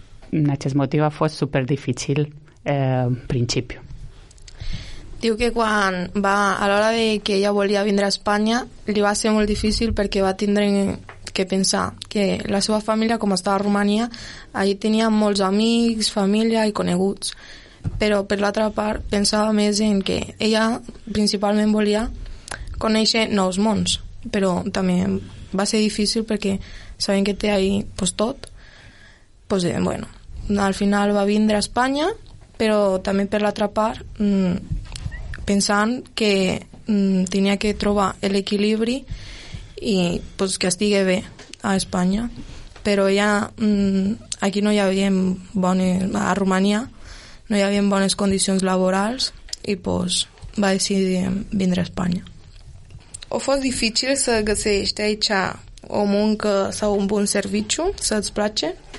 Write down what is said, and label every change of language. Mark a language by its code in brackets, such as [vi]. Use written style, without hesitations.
[ro] În acest motiv a fost super dificil în principiu. [ca] Diu que quan va, a l'hora de que ella volia vindre a Espanya, li va ser molt difícil perquè va tindre que pensar que la seva família, com estava a Romania, allí tenia molts amics, família i coneguts. Però, per l'altra part, pensava més en que ella principalment volia conèixer nous mons, però també va ser difícil perquè sabem que té ahí pues, tot. Pues, bueno, al final va vindre a Espanya, però també per l'altra part... pensant que tenia que trobar l'equilibri i pues, que estigui bé a Espanya, però ja aquí no hi havia bones, a Romania no hi havia bones condicions laborals i pues, va decidir vindre a Espanya. [ro] O fos difícil să găsești aici o muncă sau un bun serviciu să-ți place?